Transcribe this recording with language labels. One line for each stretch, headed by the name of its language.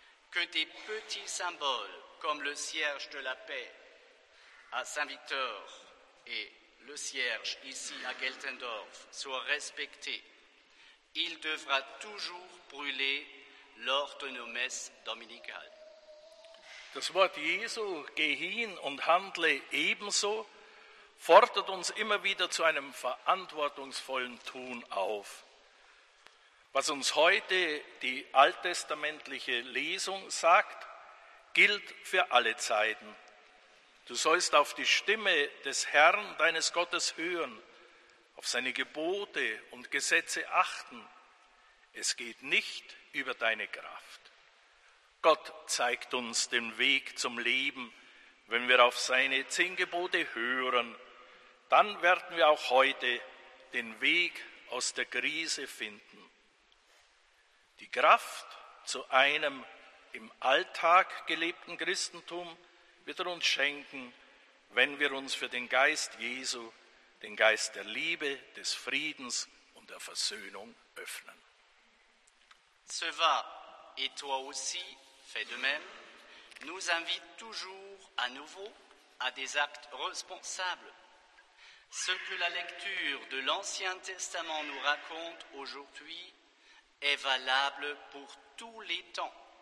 French: Que des petits symboles comme le cierge de la paix à Saint-Victor et le cierge ici à Geltendorf soient respectés. Il devra toujours brûler lors de nos messes dominicales.
German: Das Wort Jesu, geh hin und handle ebenso, fordert uns immer wieder zu einem verantwortungsvollen Tun auf. Was uns heute die alttestamentliche Lesung sagt, gilt für alle Zeiten. Du sollst auf die Stimme des Herrn, deines Gottes, hören, auf seine Gebote und Gesetze achten. Es geht nicht über deine Kraft. Gott zeigt uns den Weg zum Leben, wenn wir auf seine 10 Gebote hören. Dann werden wir auch heute den Weg aus der Krise finden. Die Kraft zu einem im Alltag gelebten Christentum wird er uns schenken, wenn wir uns für den Geist Jesu, den Geist der Liebe, des Friedens und der Versöhnung öffnen.
French: Se va, et toi aussi, fais de même, nous invite toujours à nouveau à des actes responsables. Ce que la lecture de l'Ancien Testament nous raconte aujourd'hui est valable pour tous les temps.